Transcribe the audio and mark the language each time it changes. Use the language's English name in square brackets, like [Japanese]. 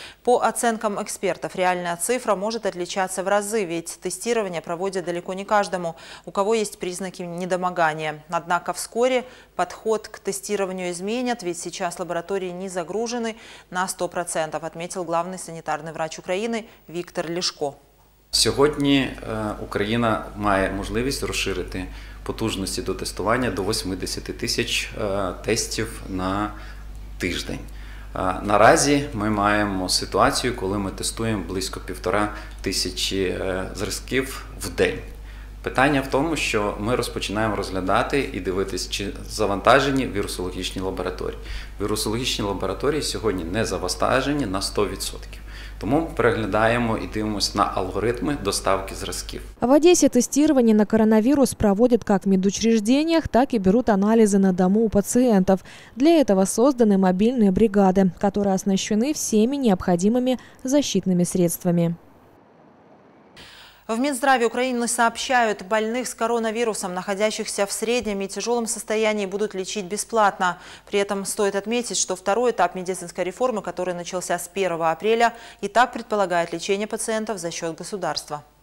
[Russian] По оценкам экспертов, реальная цифра может отличаться в разы, ведь тестирование проводят далеко не каждому, у кого есть признаки недомогания. Однако вскоре подход к тестированию изменят, ведь сейчас лаборатории не загружены на 100%, отметил главный санитарный врач Украины Виктор Ляшко. [Ukrainian] Сьогодні Україна має можливість розширити потужності до тестування до 80 тисяч тестів на тиждень. Наразі ми маємо ситуацію, коли ми тестуємо близько 1500 зразків в день. Питання в тому, що ми розпочинаємо розглядати і дивитися, чи завантажені вірусологічні лабораторії. Вірусологічні лабораторії сьогодні не завантажені на 100%. Тому переглядаємо і дивимося на алгоритми доставки зразків. В Одесі тестування на коронавірус проводять як в медучреждениях, так і беруть аналізи на дому у пацієнтів. Для цього створені мобільні бригади, які оснащені всіми необхідними захисними средствами. [Russian] В Минздраве Украины сообщают, больных с коронавирусом, находящихся в среднем и тяжелом состоянии, будут лечить бесплатно. При этом стоит отметить, что второй этап медицинской реформы, который начался с 1 апреля, и так предполагает лечение пациентов за счет государства.